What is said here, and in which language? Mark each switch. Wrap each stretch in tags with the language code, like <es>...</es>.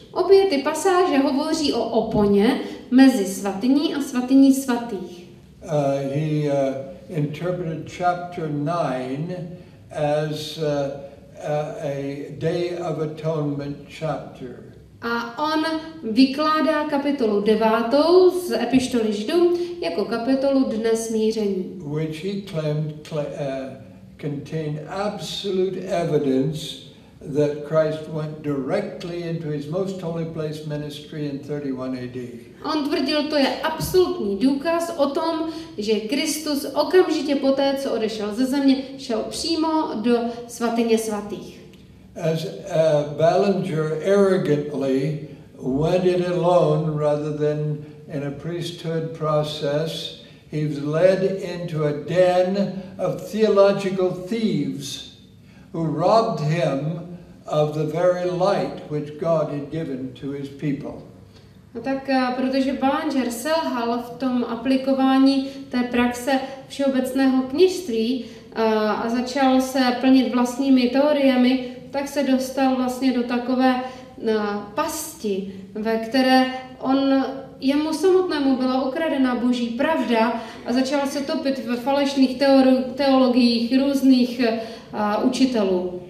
<cs>Obě ty pasáže hovoří o oponě mezi svatyní a svatyní svatých.</cs> <en>He interpreted chapter 9 as a day of atonement chapter.</en> <cs>A on vykládá kapitolu 9 z epištoly Židům jako kapitolu dne smíření.</cs> <en>Which he claimed contain absolute evidence that Christ went directly into his most holy place ministry in 31 AD.</en> <cs>On tvrdil, to je absolutní důkaz o tom, že Kristus okamžitě poté, co odešel ze země, šel přímo do svatyně svatých.</cs> <en>As Ballinger arrogantly went it alone rather than in a priesthood process, he was led into a den of theological thieves who robbed him of the very light which God had given to his people.</en> <cs>No tak, protože Ballinger selhal v tom aplikování té praxe všeobecného kněžství a začal se plnit vlastními teoriemi, tak se dostal vlastně do takové pasti, ve které on jemu samotnému byla ukradena Boží pravda a začal se topit ve falešných teologiích různých učitelů.</cs>